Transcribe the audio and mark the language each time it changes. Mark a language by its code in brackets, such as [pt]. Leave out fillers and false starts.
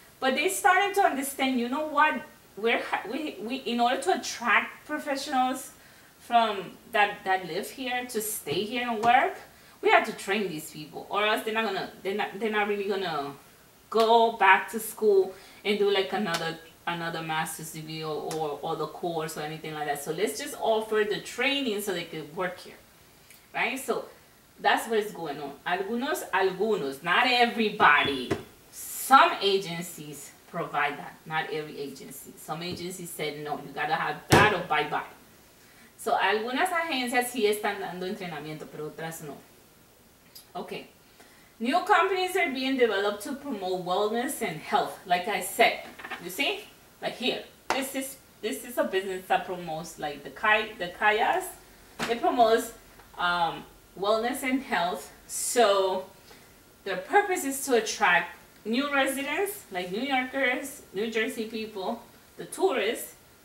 [en] But they're starting to understand, you know what, we in order to attract professionals from that live here to stay here and work, we have to train these people, or else they're not really gonna go back to school and do like another master's degree or the course or anything like that. So let's just offer the training so they could work here, right? So that's what is going on. [es] Algunos, [en] not everybody. Some agencies provide that, not every agency. Some agencies said no, you gotta have that or bye bye. [es] So algunas agencias sí están dando entrenamiento, pero otras no. [en] Okay. New companies are being developed to promote wellness and health. Like I said, you see? Like here. This is a business that promotes like the kayas. It promotes wellness and health. So their purpose is to attract new residents, like New Yorkers, New Jersey people, the tourists,